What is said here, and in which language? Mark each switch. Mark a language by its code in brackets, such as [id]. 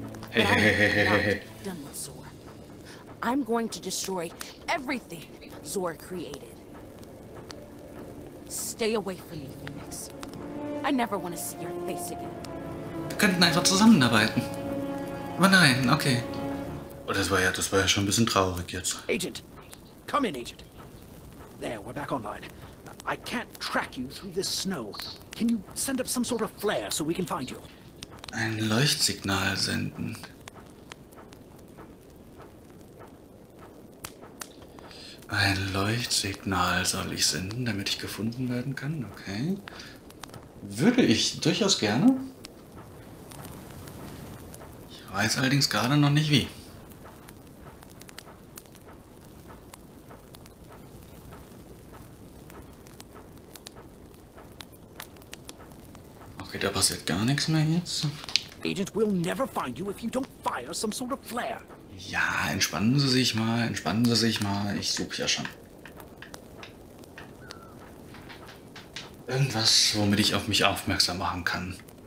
[en] Hey, done with Zor. I'm going to destroy everything Zor created. Stay away from me, Phoenix. I never want to see your face again. [de] Wir könnten einfach zusammenarbeiten. Aber nein, okay. Oh, das war ja schon ein bisschen traurig jetzt. [en] Agent, come in, Agent. There, we're back online. I can't track you through this snow. Can you send up some sort of flare so we can find you? [de] Ein Leuchtsignal senden. Ein Leuchtsignal soll ich senden, damit ich gefunden werden kann? Okay. Würde ich durchaus gerne. Ich weiß allerdings gerade noch nicht wie. Okay, da passiert gar nichts mehr jetzt. [en] Agent will never find you if you don't fire some sort of flare. [de] Ja, entspannen Sie sich mal, entspannen Sie sich mal. Ich suche ja schon. Irgendwas, womit ich auf mich aufmerksam machen kann.